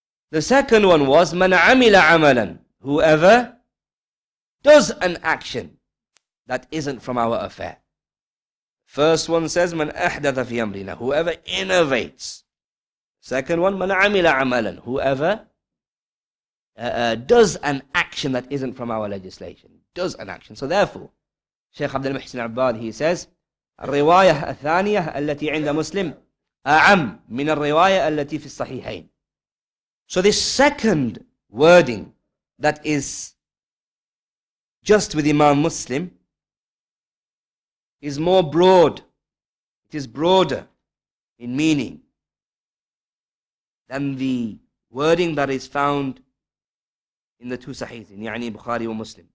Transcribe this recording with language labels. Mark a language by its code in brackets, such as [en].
[en] The second one was, [ar] مَنْ عَمِلَ عَمَلًا, [en] whoever does an action that isn't from our affair. First one says, [ar] مَنْ أَحْدَثَ فِي أَمْرِنَا, [en] whoever innovates. Second one, [ar] مَنْ عَمِلَ عَمَلًا, [en] whoever does an action that isn't from our legislation. Does an action. So therefore, Shaykh Abdul Muhsin Abbad, he says, [ar] الروايه الثانيه التي عند مسلم أعم من الروايه التي في الصحيحين. [en] So this second wording that is just with Imam Muslim is more broad. It is broader in meaning than the wording that is found in the two Sahihs, in يعني Bukhari and Muslim.